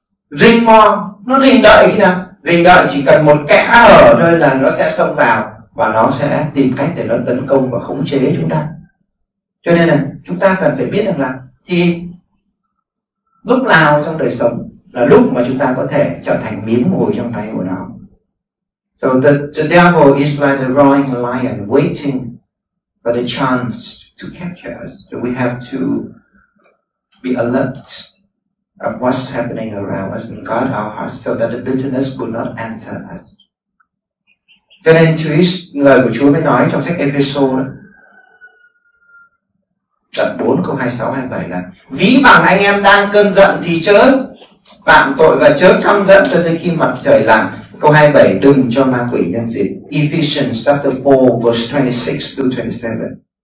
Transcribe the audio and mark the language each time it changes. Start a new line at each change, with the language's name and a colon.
Vietnamese: Rình mò, nó rình đợi khi nào? Rình đợi chỉ cần một kẽ hở thôi là nó sẽ xông vào và nó sẽ tìm cách để nó tấn công và khống chế chúng ta. Cho nên là chúng ta cần phải biết rằng là thì lúc nào trong đời sống là lúc mà chúng ta có thể trở thành miếng mồi trong tay của nó.
English: So the devil is like a roaring lion waiting for the chance to capture us. So we have to be alert of what's happening around us and guard our hearts so that the bitterness will not enter us.
Vietnamese: Cho nên lời của Chúa mới nói trong sách Ephesians đoạn 4 câu 26-27 là ví bằng anh em đang cơn giận thì chớ phạm tội và chớ căm giận cho tới khi mặt trời lặn. Câu 27 đừng cho ma quỷ nhân dịp.
English: Ephesians chapter 4 verse 26-27.